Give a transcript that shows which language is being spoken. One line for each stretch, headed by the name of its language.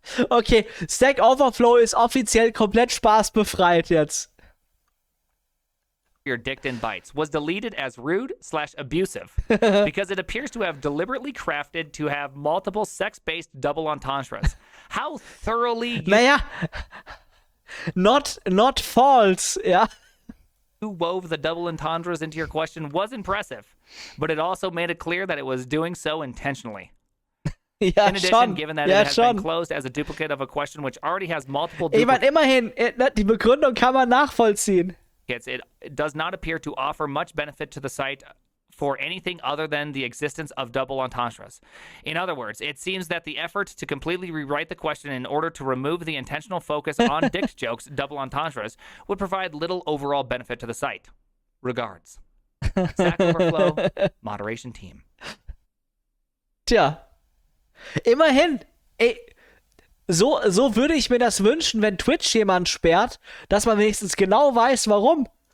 German: Okay, Stack Overflow ist offiziell komplett spaßbefreit jetzt.
English: Your dict in bytes was deleted as rude slash abusive because it appears to have deliberately crafted to have multiple sex-based double entendres. How thoroughly Naja, not false, yeah. Who wove the double entendres into your question was impressive, but it also made it clear that it was doing so intentionally.
German: Ja,
English: in addition,
German: schon.
English: Given that
German: ja,
English: it has
German: schon.
English: Been closed as a duplicate of a question which already has multiple duplicates.
German: Immerhin, die Begründung kann man nachvollziehen.
English: It does not appear to offer much benefit to the site for anything other than the existence of double entendres. In other words, it seems that the effort to completely rewrite the question in order to remove the intentional focus on dict jokes, double entendres, would provide little overall benefit to the site. Regards. Stack Overflow, moderation team.
German: Tja. Immerhin. So würde ich mir das wünschen, wenn Twitch jemand sperrt, dass man wenigstens genau weiß, warum.